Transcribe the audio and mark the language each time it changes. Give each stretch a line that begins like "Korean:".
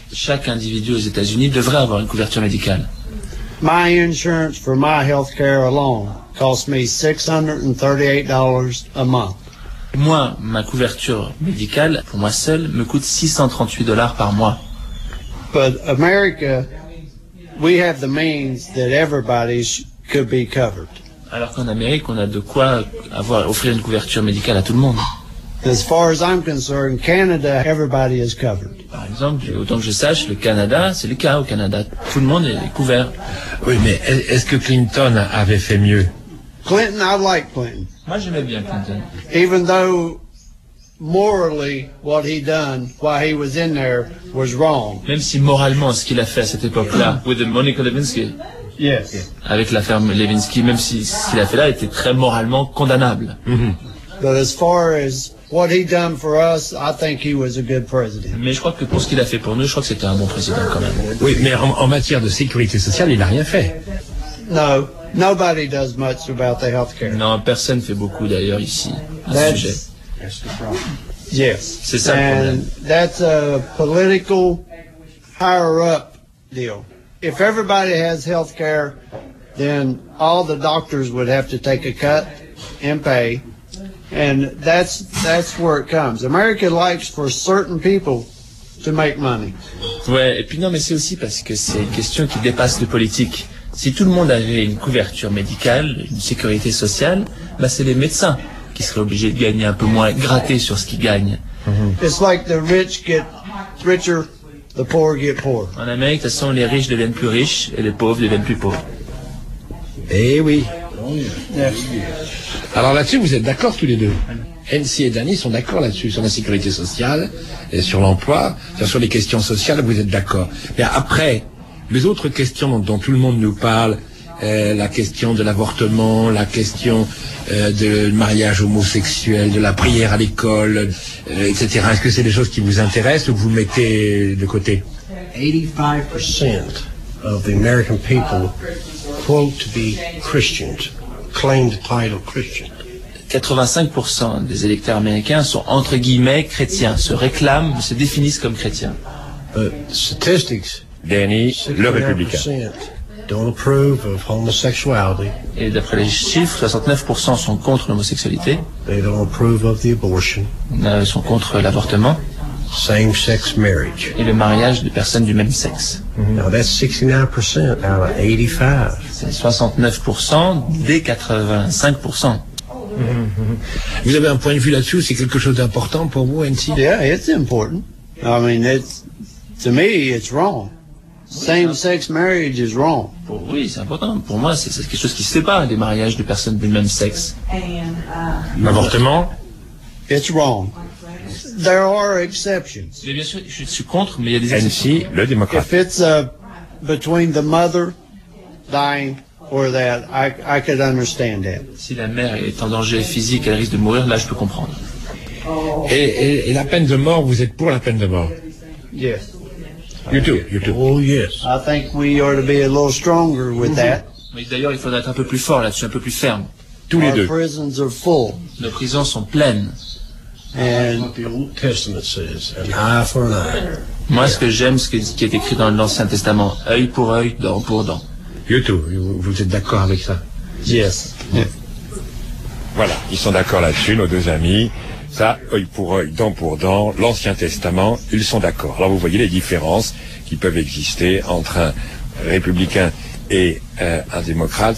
French: Chaque individu aux États-Unis devrait avoir une couverture médicale.
English: My insurance for my healthcare alone cost me $638 a month.
French: Moi, ma couverture médicale, pour moi seul, me coûte $638 par mois.
English: But America, we have the means that everybody could be covered.
French: Alors qu'en Amérique, on a de quoi avoir, offrir une couverture médicale à tout le monde.
English: As far as I'm concerned, Canada, everybody is covered.
French: Par exemple, autant que je sache, le Canada, c'est le cas au Canada. Tout le monde est couvert. Oui, mais est-ce que Clinton avait fait mieux?
English: Clinton, I like Clinton.
French: Moi, j'aimais bien Clinton.
English: Even though morally what he done while he was in there was wrong.
French: Même si moralement ce qu'il a fait à cette époque-là,
English: with the Monica Lewinsky. Yes.
French: Avec l'affaire Lewinsky, même si ce qu'il a fait là était très moralement condamnable. Mm-hmm.
English: But as far as what he done for us, I think he was a good president.
French: Mais je crois que pour ce qu'il a fait pour nous, je crois que c'était un bon président quand même. Oui, mais en matière de sécurité sociale, il n'a rien fait.
English: No. Nobody does much about the healthcare.
French: Non, personne ne fait beaucoup d'ailleurs ici à ce sujet.
English: Yes.
French: C'est ça
English: and
French: le problème.
English: That's a political higher up deal. If everybody has healthcare, then all the doctors would have to take a cut in pay. And that's where it comes. America likes for certain people to make money.
French: Ouais, et puis non, mais c'est aussi parce que c'est une question qui dépasse le politique. Si tout le monde avait une couverture médicale, une sécurité sociale, bah c'est les médecins qui seraient obligés de gagner un peu moins, gratter sur ce qu'ils gagnent. Mm-hmm.
English: It's like the rich get richer, the poor get poorer.
French: En Amérique, de toute façon, les riches deviennent plus riches et les pauvres deviennent plus pauvres. Eh oui.
English: Yes.
French: Alors là-dessus, vous êtes d'accord tous les deux. Nancy et Danny sont d'accord là-dessus, sur la sécurité sociale et sur l'emploi, sur les questions sociales, vous êtes d'accord. Mais après, les autres questions dont tout le monde nous parle, la question de l'avortement, la question de mariage homosexuel, de la prière à l'école, etc. Est-ce que c'est des choses qui vous intéressent ou vous mettez de côté?
English: 85% of the American people quote to be Christians, claim the title Christian.
French: 85% des électeurs américains sont entre guillemets chrétiens, se réclament, se définissent comme chrétiens.
English: Statistics.
French: Danny, le républicain.
English: Don't approve of homosexuality.
French: Et d'après les chiffres, 69% sont contre l'homosexualité.
English: They don't approve of the abortion.
French: Ils sont contre l'avortement.
English: Same-sex marriage.
French: Et le mariage de personnes du même sexe.
English: Mm-hmm. Now that's 69% out of 85.
French: C'est 69% des 85%. Mm-hmm. Vous avez un point de vue là-dessus? C'est quelque chose d'important pour vous, NC?
English: Yeah, it's important. I mean, it's to me, it's wrong. Same-sex marriage is wrong.
French: Oui, c'est important. Pour moi, c'est quelque chose qui se sépare des mariages de personnes du même sexe. L'avortement?
English: It's wrong. There are exceptions.
French: Mais bien sûr, je suis contre, mais il y a des exceptions. Ainsi, le démocrate.
English: If it's between the mother dying or that, I could understand that.
French: Si la mère est en danger physique, elle risque de mourir, là, je peux comprendre. Et la peine de mort, vous êtes pour la peine de mort?
English: Yes. You too. Oh yes. I think we ought to be a little stronger with that.
French: Mais d'ailleurs, il faudrait être un peu plus fort là-dessus, un peu plus ferme. Tous les deux.
English: Our prisons are full.
French: Nos prisons sont pleines.
English: And the Old Testament says, an eye for an eye.
French: Moi, ce que j'aime, ce qui est écrit dans l'Ancien Testament, œil pour œil, dent pour dent.
English: You too.
French: Vous êtes d'accord avec ça?
English: Yes.
French: Voilà, ils sont d'accord là-dessus, nos deux amis. Ça, œil pour œil, dent pour dent, l'Ancien Testament, ils sont d'accord. Alors vous voyez les différences qui peuvent exister entre un républicain et un démocrate.